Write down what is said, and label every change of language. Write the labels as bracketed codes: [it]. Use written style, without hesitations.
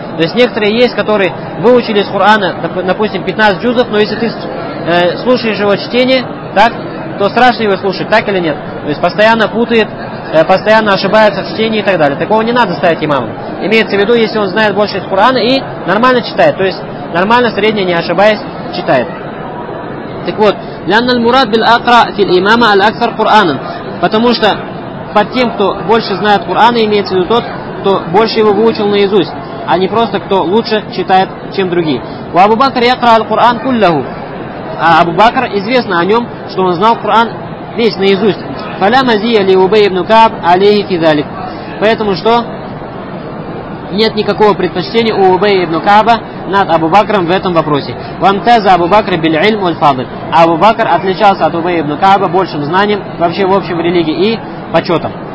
[ru] То есть некоторые есть, которые выучили из Корана, допустим, 15 джузов, но если ты слушаешь его чтение, так, то страшно его слушать, так или нет? То есть постоянно путает, постоянно ошибается в чтении и так далее. Такого не надо ставить имаму. Имеется в виду, если он знает больше из Корана и нормально читает, то есть нормально, средне, не ошибаясь, читает. Так вот, [ar] لأن المراد بالأقرأ في الإمامة الأكثر قرآنًا. [ru] Потому что под тем, кто больше знает Коран, имеется в виду тот, кто больше его выучил наизусть, а не просто кто лучше читает, чем другие. [ar] وأبو بكر يقرأ القرآن كله. [ru] А Абу Бакр, известно о нем, что он знал Коран весь наизусть. [ar] فَلَا مَزِيَ لِيُبَيْ بْنُ كَعْبْ عَلَيْهِ فِي ذَلِكَ. [ru] Поэтому что? Нет никакого предпочтения у Убей ибн Кааба над Абу Бакром в этом вопросе. [ar] Вам теза Абу Бакр биль-ильм уль-фадль. [ru] А Абу Бакр отличался от Убей ибн Кааба большим знанием вообще в общем религии и почетом.